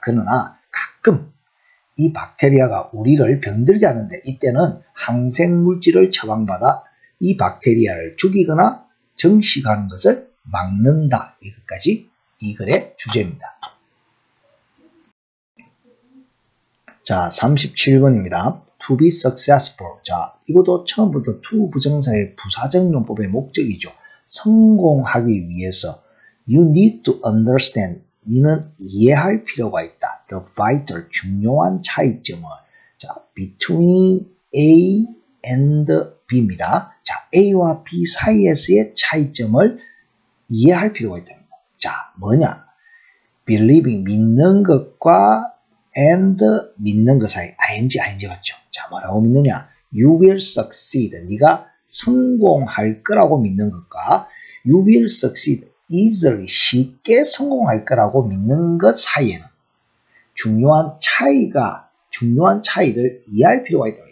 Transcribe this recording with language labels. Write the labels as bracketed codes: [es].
[ko] 그러나 가끔 이 박테리아가 우리를 병들게 하는데 이때는 항생물질을 처방받아 이 박테리아를 죽이거나 증식하는 것을 막는다. 여기까지 이 글의 주제입니다. 자, 37번입니다. [en] To be successful. [ko] 자, 이것도 처음부터 to 부정사의 부사적 용법의 목적이죠. 성공하기 위해서 [en] You need to understand. [ko] 너는 이해할 필요가 있다. [en] The vital, [ko] 중요한 차이점을. [en] 자, between A and B입니다. [ko] 자, A와 B 사이에서의 차이점을 이해할 필요가 있다. 자, 뭐냐? Believing, 믿는 것과 and 믿는 것 사이, ing, ing 같죠? 자, 뭐라고 믿느냐? [en] You will succeed, [ko] 네가 성공할 거라고 믿는 것과 [en] You will succeed easily, [ko] 쉽게 성공할 거라고 믿는 것 사이에는 중요한 차이가, 중요한 차이를 이해할 필요가 있다.